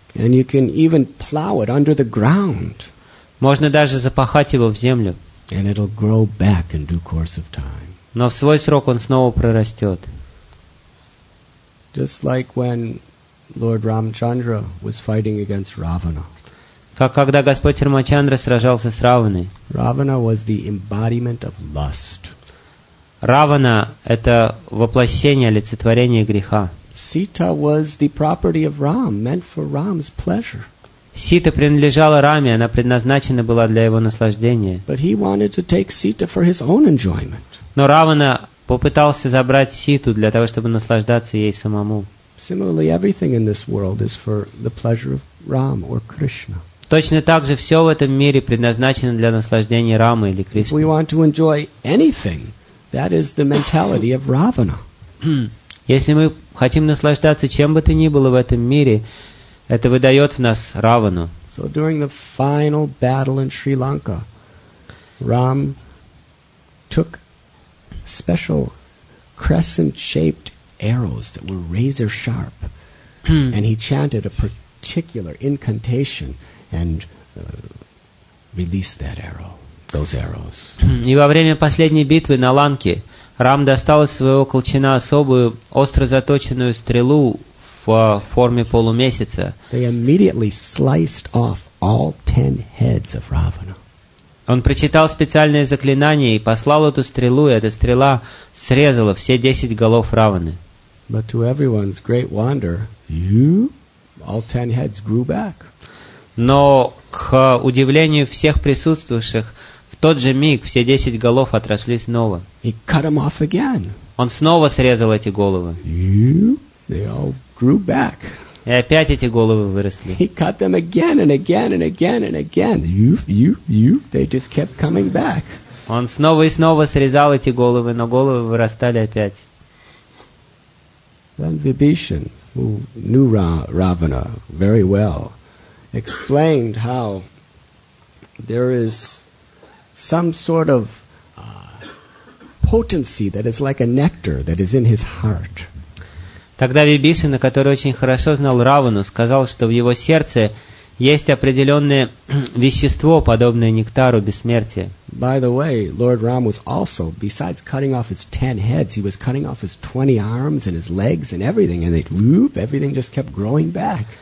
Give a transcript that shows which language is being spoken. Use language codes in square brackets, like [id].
[en] And you can even plow it under the ground. [ru] Можно даже запахать его в землю. [en] And it'll grow back in due course of time. [ru] Но в свой срок он снова прорастет. [en] Just like when Lord Ramchandra was fighting against Ravana. [ru] Как когда Господь Рамачандра сражался с Раваной. [en] Ravana was the embodiment of lust. [ru] Равана — это воплощение, олицетворение греха. [en] Sita was the property of Ram, meant for Ram's pleasure. [ru] Сита принадлежала Раме, она предназначена была для его наслаждения. [en] But he wanted to take Sita for his own enjoyment. [ru] Но Равана попытался забрать Ситу для того, чтобы наслаждаться ей самому. [en] Similarly, everything in this world is for the pleasure of Ram or Krishna. [ru] Точно так же все в этом мире предназначено для наслаждения Рамы или Кришны. [en] If we want to enjoy anything, that is the mentality of Ravana. [ru] Если мы хотим наслаждаться чем бы то ни было в этом мире, это выдает в нас Равану. [en] So during the final battle in Sri Lanka, Ram took special crescent-shaped arrows that were razor sharp, and he chanted a particular incantation and released that arrow, those arrows. [ru] И во время последней битвы на Ланке Рам достал из своего колчана особую остро заточенную стрелу в форме полумесяца. [en] They immediately sliced off all 10 heads of Ravana. [ru] Он прочитал специальное заклинание и послал эту стрелу, и эта стрела срезала все 10 голов Раваны. [en] But to everyone's great wonder, all 10 heads grew back. [ru] Но к удивлению всех присутствующих, в тот же миг все 10 голов отросли снова. [en] He cut them off again. [ru] Он снова срезал эти головы. [en] They all grew back. [ru] И опять эти головы выросли. [en] He cut them again and again and again and again. They just kept coming back. [ru] Он снова и снова срезал эти головы, но головы вырастали опять. [en] Then Vibhishan, who knew Ravana very well, explained how there is some sort of potency that is like a nectar that is in his heart. [ru] Тогда Вибисана, который очень хорошо знал Равану, сказал, что в его сердце есть определенное вещество, подобное нектару бессмертия. [en] By the way, Lord Ram was also, besides cutting off his 10 heads, he was cutting off his 20 arms and his legs and everything, and it, whoop, everything just kept growing back.